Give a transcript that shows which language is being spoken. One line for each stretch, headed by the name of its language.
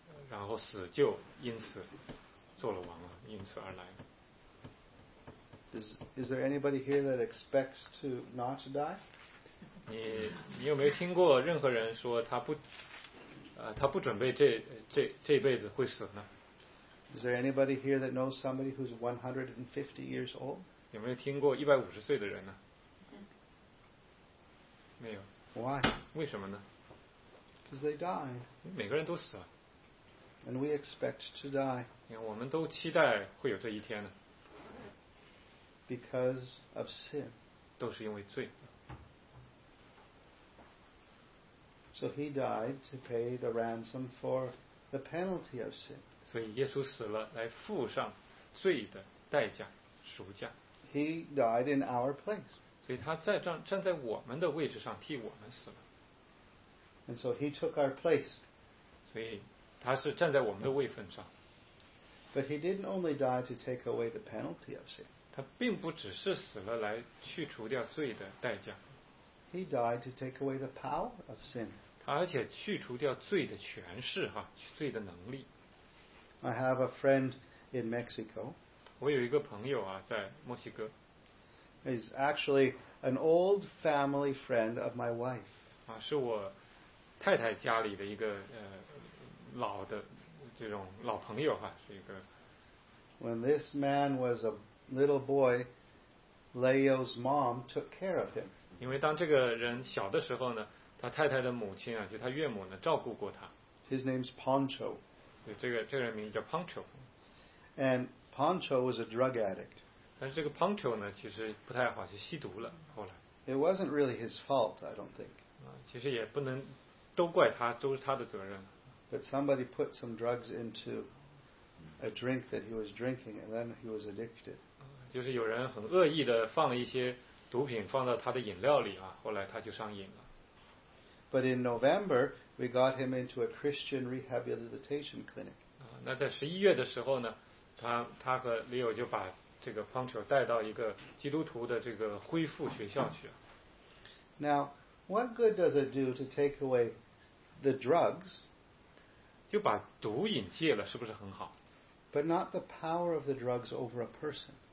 Chinese: 然后死就因此做了王了，因此而来。
English: Is there anybody here that expects to not die?
Chinese: 你有没有听过任何人说他不他不准备这辈子会死呢？
English: Is there anybody here that knows somebody who's 150 years old?
Chinese: 有没有听过150岁的人呢？没有。
English: Why?
Chinese: 为什么呢？
English: Because they died.
Chinese: 每个人都死了。
English: And we expect to die.
Chinese: 因为我们都期待会有这一天呢。
English: Because of sin.
Chinese: 都是因为罪。
English: So he died to pay the ransom for the penalty of sin.
Chinese: 所以耶稣死了来付上罪的代价，赎价。
English: He died in our place.
Chinese: 所以他站在我们的位置上替我们死了。
English: And so he took our place.
Chinese: 所以他是站在我们的位分上。
English: But he didn't only die to take away the penalty of sin.
Chinese: 他并不只是死了来去除掉罪的代价。
English: He died to take away the power of sin.
Chinese: 他而且去除掉罪的权势哈，罪的能力。
English: I have a friend in Mexico.
Chinese: 我有一个朋友啊，在墨西哥。
English: He's actually an old family friend of my wife.
Chinese: 啊，是我太太家里的一个老的这种老朋友哈，是一个。
English: When this man was a little boy, Leo's mom took care of him.
Chinese: 因为当这个人小的时候呢，他太太的母亲啊，就他岳母呢，照顾过他。
English: His name's Pancho.
Chinese: 对，这个人名叫 Pancho.
English: And Pancho was a drug addict.
Chinese: 但是这个 Pancho 呢，其实不太好，就吸毒了后来。
English: It wasn't really his fault, I don't think.
Chinese: 其实也不能都怪他，都是他的责任。
English: But somebody put some drugs into a drink that he was drinking, and then he was addicted.
Chinese: 就是有人很恶意的放了一些毒品放到他的饮料里啊，后来他就上瘾了。
English: But in November, we got him into a Christian rehabilitation clinic.
Chinese: 那在十一月的时候呢，他和 Leo 就把这个 Pancho 带到一个基督徒的这个恢复学校去。
English: Now, what good does it do to take away the drugs?
Chinese: 就把毒瘾戒了，是不是很好？
English: But not the power of the drugs over a person.